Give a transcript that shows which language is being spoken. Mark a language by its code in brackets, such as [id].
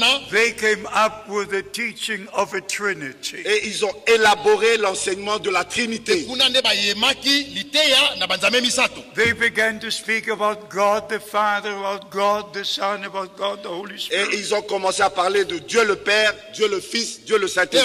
[en] they came up with the teaching of a Trinity. [fr] Et ils ont élaboré l'enseignement de la Trinité. [en] They began to speak about God the Father, about God the Son, about God the Holy Spirit. [fr] Et ils ont commencé à parler de Dieu le Père, Dieu le Fils, Dieu le Saint-Esprit.